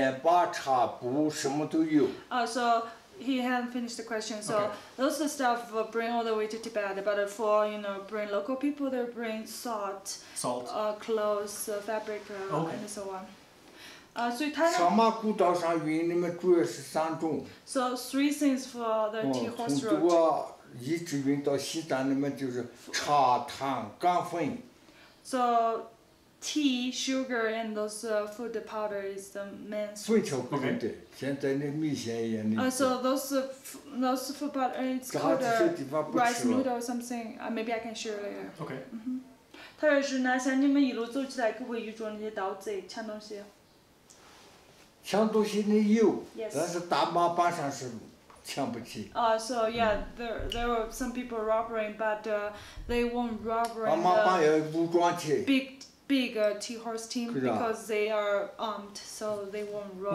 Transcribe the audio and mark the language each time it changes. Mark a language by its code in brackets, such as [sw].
[zh] 他是像那些运到西藏那么这个运到老百姓跟前那么盐巴茶布什么都有。 [en] So he hadn't finished the question. So those are stuff bring all the way to Tibet, but for you know bring local people, they bring salt, clothes, fabric, and so on. [zh] 所以他呢？上马古道上运的么主要是三种。 [en] So three things for the T Horse Road. [zh] 一直运到西藏里面就是茶、糖、干粉。So, [en] tea, sugar, and those food powder is the main. [zh] 粉条不能对，现在那米线一样的。 [en] So those food powder is called rice noodle or something. Maybe I can share later. Okay. [zh] 他说是呢，像你们一路走起来，可会遇着那些盗贼抢东西？枪都是你有, [en] yes. So yeah, there were some people robbing, but they won't rob the big tea horse team because they are armed, so they won't rob.